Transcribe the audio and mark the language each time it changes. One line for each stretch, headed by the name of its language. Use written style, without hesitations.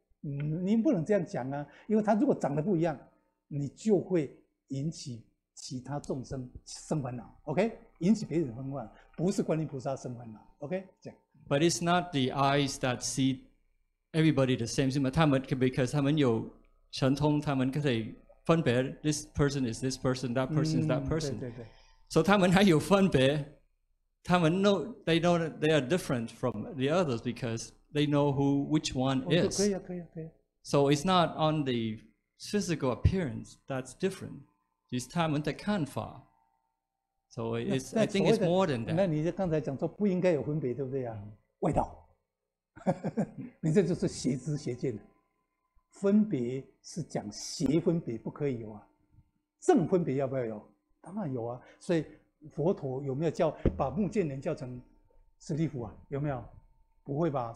Chinese: 您不能这样讲啊，因为他如果长得不一样，你就会引起其他众生生烦恼。 OK， 引起别人烦恼，不是观音菩萨生烦恼。 OK， 讲。
English: But it's not the eyes that see everybody the same，
Chinese: 是吗？他们
English: because
Chinese: 他们有神通，他们可以。
English: 分别 ，this person is this person, that person is that person. 对。 So
Chinese: 他们还有分别，他们
English: know they know that they are different from the others because they know who which one is.
Chinese: 可以。
English: So it's not on the physical appearance that's different. It's
Chinese: 他们的看法。
English: So it's I think it's more than that.
Chinese: 那你这刚才讲说不应该有分别，对不对啊？味道，你这就是邪知邪见。分别是讲邪分别不可以有啊，正分别要不要有？当然有啊。所以佛陀有没有叫把目犍连叫成舍利弗啊？有没有？不会吧？